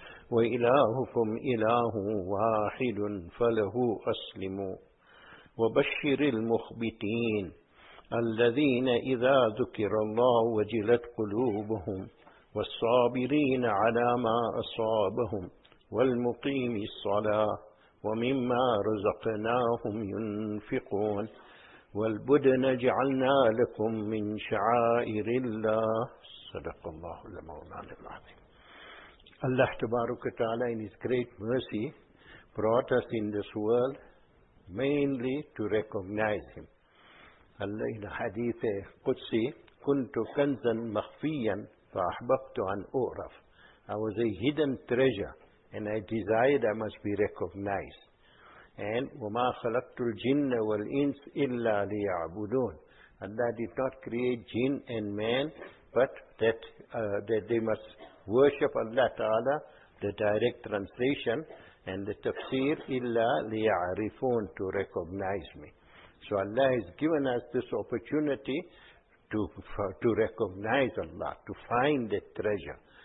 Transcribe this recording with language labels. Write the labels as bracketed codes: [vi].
[ar] وإلهكم إله واحد فله أسلموا وبشر المخبتين الذين إذا ذكر الله وجلت قلوبهم والصابرين على ما أصابهم والمقيم الصلاة ومما رزقناهم ينفقون والبدن جعلنا لكم من شعائر الله. صدق الله مولانا العظيم. الله تبارك وتعالى [en] in his great mercy brought us in this world mainly to recognize him. [ar] الله الحديث قدسي: كنت كنزا مخفيا فأحببت أن أعرف. [en] I was a hidden treasure and I desired I must be recognized. And [ar] وما خلقت الجن والإنس إلا ليعبدون. [en] Allah did not create jinn and man but that they must worship Allah Ta'ala. The direct translation and the tafsir: [ar] إلا ليعرفون, [en] to recognize me. So Allah has given us this opportunity to recognize Allah, to find that treasure.